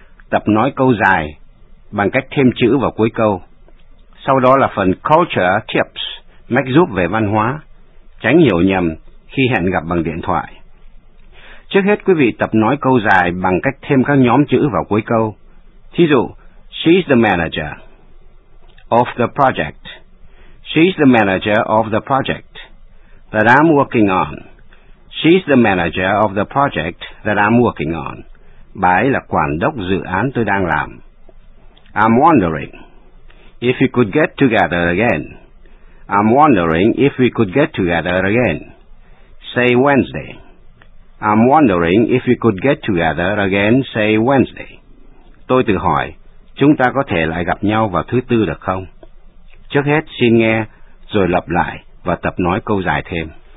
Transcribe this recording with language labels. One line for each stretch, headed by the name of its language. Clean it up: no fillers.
Vietnamese: Tập nói câu dài bằng cách thêm chữ vào cuối câu. Sau đó là phần Culture Tips, mách giúp về văn hóa, tránh hiểu nhầm khi hẹn gặp bằng điện thoại. Trước hết quý vị tập nói câu dài bằng cách thêm các nhóm chữ vào cuối câu. Thí dụ,
English: she's the manager of the project. She's the manager of the project that I'm working on. She's the manager of the project that I'm working on.
Vietnamese: Bà ấy là quản đốc dự án tôi đang làm.
English: I'm wondering if we could get together again. I'm wondering if we could get together again. Say Wednesday. I'm wondering if we could get together again, say Wednesday.
Vietnamese: Tôi tự hỏi, chúng ta có thể lại gặp nhau vào thứ tư được không? Trước hết xin nghe, rồi lặp lại và tập nói câu dài thêm.